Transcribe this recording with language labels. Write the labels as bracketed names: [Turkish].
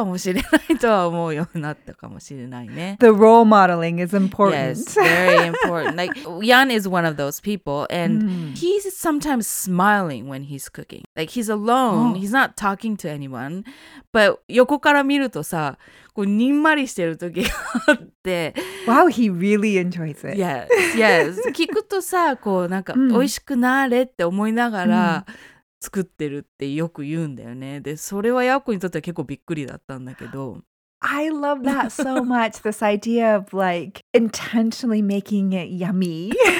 [Japanese] お、料理は面白いかもしれないとは思うようになったかもしれないね。 [English] The role modeling is important. Yes, very important. Like, Jan is one of those people, and he's sometimes smiling when he's cooking. Like, he's alone. He's not talking to anyone. But [Japanese] 横から見るとさ、 [English] Wow, he really enjoys it. Yes, yes. [Japanese] 聞くとさ、こうなんか美味しくなれって思いながら作ってるってよく言うんだよね。で、それはヤコにとっては結構びっくりだったんだけど。 [English] I love that so much. This idea of like intentionally making it yummy.